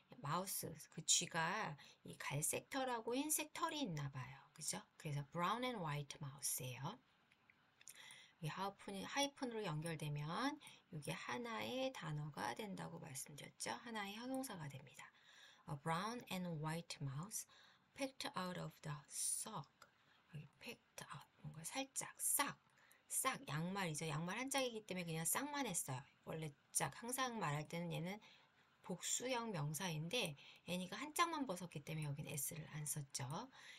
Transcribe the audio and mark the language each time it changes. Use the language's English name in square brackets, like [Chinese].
[Korean] 마우스 그 쥐가 이 갈색 털하고 흰색 털이 있나 봐요. 그죠? 그래서 [English] brown and white mouse [Korean] 예요. 이 하이픈으로 연결되면 이게 하나의 단어가 된다고 말씀드렸죠? 하나의 형용사가 됩니다. [English] A brown and white mouse picked out of the sock. [Korean] 여기 [English] picked out [Korean] 뭔가 살짝 싹 양말이죠. 양말 한 짝이기 때문에 그냥 싹만 했어요. 원래 짝 항상 말할 때는 얘는 복수형 명사인데 애니가 한 짝만 벗었기 때문에 여긴 S를 안 썼죠.